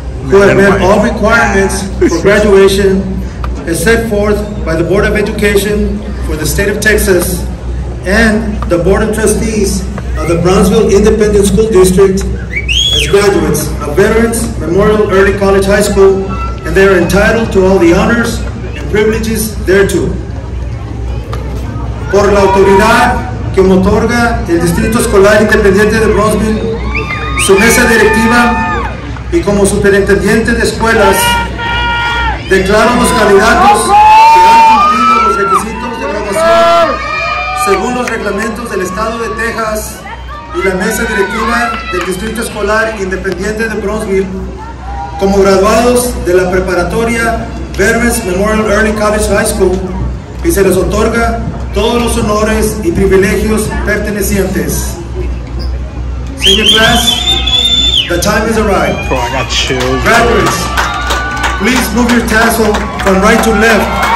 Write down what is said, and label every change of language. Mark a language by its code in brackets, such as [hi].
[en] who have met all requirements for graduation as set forth by the Board of Education for the State of Texas and the Board of Trustees of the Brownsville Independent School District as graduates of Veterans Memorial Early College High School, and they are entitled to all the honors and privileges thereto. [es] Por la autoridad que me otorga el Distrito Escolar Independiente de Brownsville, su mesa directiva y como superintendente de escuelas, declaro los candidatos que han cumplido los requisitos de graduación según los reglamentos del Estado de Texas y la mesa directiva del Distrito Escolar Independiente de Brownsville como graduados de la preparatoria Veterans Memorial Early College High School, y se les otorga todos los honores y privilegios pertenecientes. [en] Senior class, the time is arrived. Oh, I got chills. Graduates, please move your tassel from right to left.